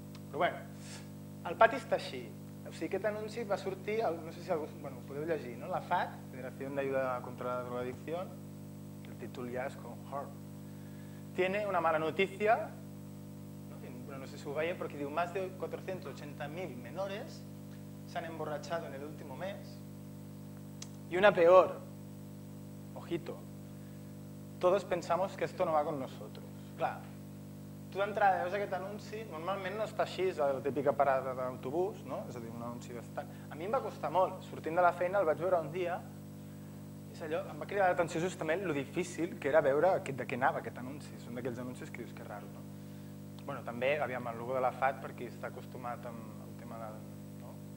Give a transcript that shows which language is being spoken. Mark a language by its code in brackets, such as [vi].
[ca] Però bé, el pati està així. O sigui, aquest anunci va sortir, no sé si algú, bueno, ho podeu llegir, no? La FAD, Federació d'Ajuda contra la Drogadicció, el títol ja és com hard. [es] Tiene una mala notícia, [ca] no? No sé si ho veieu, però aquí diu [es] más de 480.000 menores s'han emborratxado en el último mes. Y una peor, ojito, todos pensamos que esto no va con nosotros. [ca] Clar, tu d'entrada veus aquest anunci, normalment no està així, és la típica parada d'autobús, no? És a dir, un anunci bastant... A mi em va costar molt, sortint de la feina el vaig veure un dia, és allò, em va cridar l'atenció justament lo difícil que era veure de què anava aquest anunci. És un d'aquells anuncis que dius que raro, no? Bueno, també, aviam, el logo de la FAD, per qui està acostumat amb el tema de no?